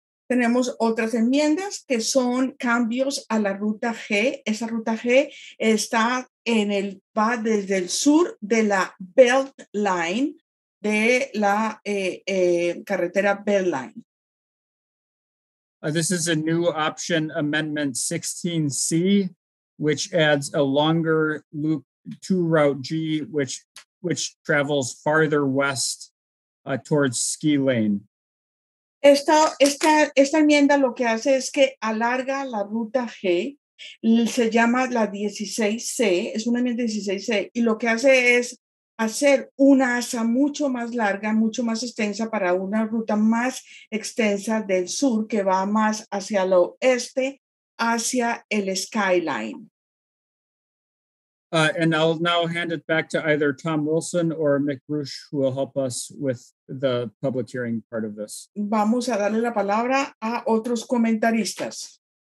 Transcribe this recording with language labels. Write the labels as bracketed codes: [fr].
[es] Tenemos otras enmiendas que son cambios a la ruta G. Esa ruta G está en el, va desde el sur de la Beltline, de la carretera Beltline. [en] This is a new option, Amendment 16C, which adds a longer loop to Route G, which travels farther west towards Ski Lane. [es] Esta enmienda lo que hace es que alarga la ruta G. Se llama la 16C, es una enmienda 16C, y lo que hace es hacer una asa mucho más larga, mucho más extensa para una ruta más extensa del sur que va más hacia el oeste, hacia el skyline. [en] And I'll now hand it back to either Tom Wilson or Mick Rusch, who will help us with the public hearing part of this. [es] Vamos a darle la palabra a otros comentaristas.